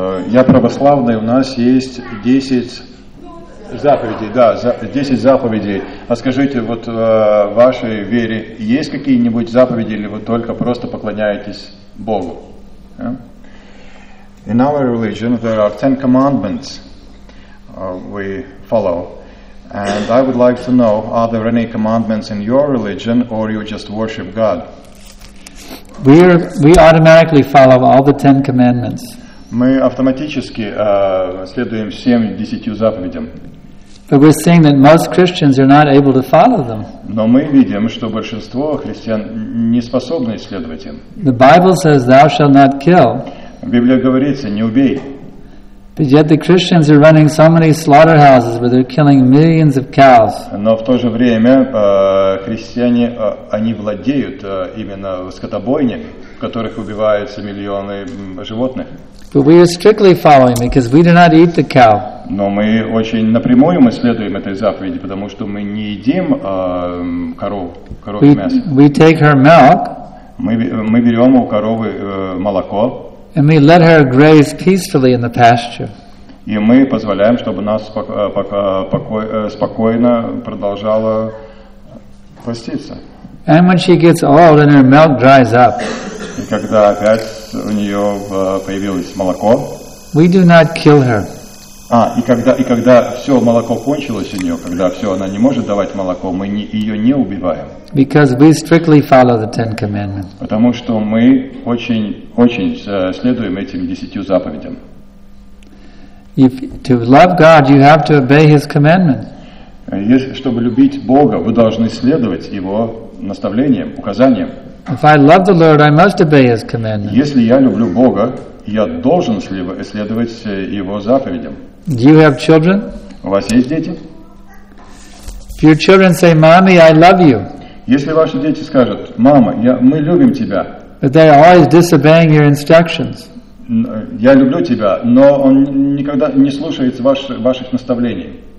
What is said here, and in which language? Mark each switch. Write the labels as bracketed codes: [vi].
[ru] Я православный, у нас есть 10 заповедей, да, 10 заповедей. А скажите, вот в вашей вере есть какие-нибудь заповеди, или вы только просто поклоняетесь Богу? [en] Yeah? In our religion, there are 10 commandments we follow. And I would like to know, are there any commandments in your religion, or you just worship God? We automatically follow all the 10 commandments. [ru] Мы автоматически следуем всем десятью заповедям. [en] But we're seeing that most Christians are not able to follow them. [ru] Но мы видим, что большинство христиан не способны следовать им. [en] The Bible says, "Thou shalt not kill." [ru] Библия говорит, не убей. [en] But yet the Christians are running so many slaughterhouses where they're killing millions of cows. [ru] Но в то же время христиане они владеют именно скотобойнями, в которых убиваются миллионы животных. [en] But we are strictly following because we do not eat the cow. [ru] Но мы очень напрямую мы следуем этой заповеди, потому что мы не едим коровье мясо. [en] We take her milk. [ru] Мы берем у коровы молоко. [en] And we let her graze peacefully in the pasture. [ru] И мы позволяем, чтобы нас спокойно продолжала паститься. [en] And when she gets old and her milk dries up, [ru] и когда опять у нее появилось молоко, [en] we do not kill her. [ru] А, и когда все молоко кончилось у нее, когда все, она не может давать молоко, мы не, ее не убиваем. [en] Because we strictly follow the Ten Commandments. [ru] Потому что мы очень, очень следуем этим десятью заповедям. [en] If, to love God, you have to obey His commandments. [ru] Если, чтобы любить Бога, вы должны следовать Его наставлениям, указаниям. [en] If I love the Lord, I must obey His commandments. [ru] Если я люблю Бога, я должен следовать Его заповедям. [en] Do you have children? [ru] У вас есть дети? [en] If your children say, "Mommy, I love you." [ru] Если ваши дети скажут, "Мама, я, мы любим тебя." [en] But they are always disobeying your instructions. [ru] Я люблю тебя, но он никогда не слушает ваших наставлений.